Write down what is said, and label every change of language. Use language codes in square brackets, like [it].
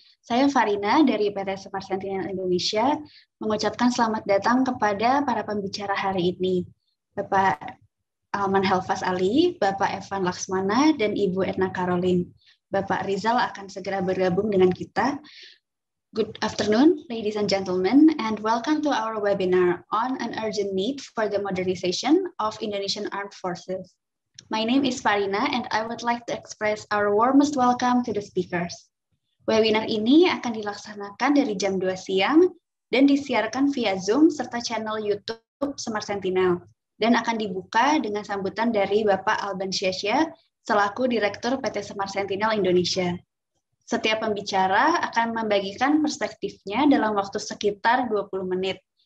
[id] Saya Farina dari PT Semar Sentinel Indonesia mengucapkan selamat datang kepada para pembicara hari ini. Bapak Alman Helvas Ali, Bapak Evan Laksmana, dan Ibu Edna Caroline. Bapak Rizal akan segera bergabung dengan kita. [en] Good afternoon, ladies and gentlemen, and welcome to our webinar on an urgent need for the modernization of Indonesian Armed Forces. My name is Farina, and I would like to express our warmest welcome to the speakers. [id] Webinar ini akan dilaksanakan dari jam 2 siang dan disiarkan via Zoom serta channel YouTube Semar Sentinel, dan akan dibuka dengan sambutan dari Bapak Alban Syasya, selaku Direktur PT Semar Sentinel Indonesia. Setiap pembicara akan membagikan perspektifnya dalam waktu sekitar 20 menit.